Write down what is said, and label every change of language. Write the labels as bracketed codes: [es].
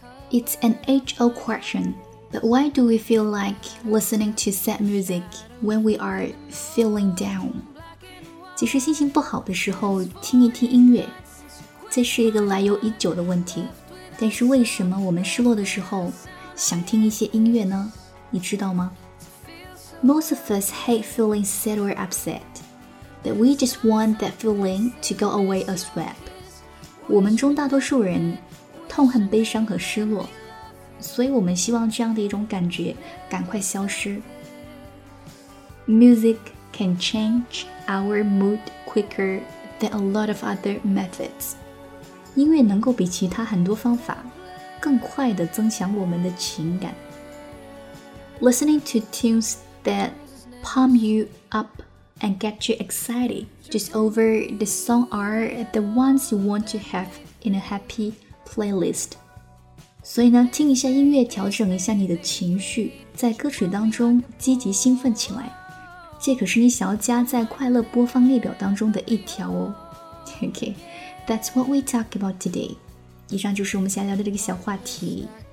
[en] It's an age-old question，But why do we feel like listening to sad music when we are feeling down? [zh] 其实心情不好的时候听一听音乐，这是一个来由已久的问题。但是为什么我们失落的时候想听一些音乐呢？你知道吗？ [en] Most of us hate feeling sad or upset, but we just want that feeling to go away as well. [zh] 我们中大多数人痛恨悲伤和失落，所以我们希望这样的一种感觉赶快消失。 [en] Music can change our mood quicker than a lot of other methods. [zh] 音乐能够比其他很多方法更快地增强我们的情感。 [en] Listening to tunes that pump you up and get you excited just over the song are the ones you want to have in a happy playlist. [zh] 所以呢，听一下音乐，调整一下你的情绪，在歌曲当中积极兴奋起来，这可是你想要加在快乐播放列表当中的一条哦。 [en] Okay, that's what we talk about today. [zh] 以上就是我们想聊的这个小话题。